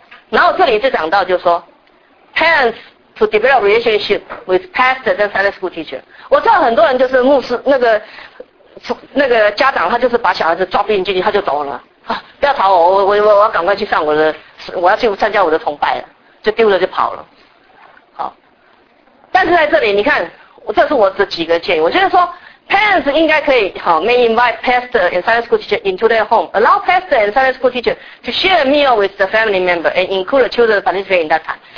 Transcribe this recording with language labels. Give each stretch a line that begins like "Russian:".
Chinese: 然后这里就讲到，就是说
English: parents to develop relationship with pastors and Sunday school teacher。
Chinese: 我知道很多人就是牧师那个家长，他就是把小孩子抓进去，他就走了啊，不要吵我，我要赶快去上我要去参加我的崇拜了，就丢了就跑了。好，但是在这里你看，这是我的几个建议。我觉得说
English: parents
Chinese: 应该可以好
English: may invite pastor and Sunday school teacher into their home, allow pastor and Sunday school teacher to share a meal with the family member and include the children participate in that time。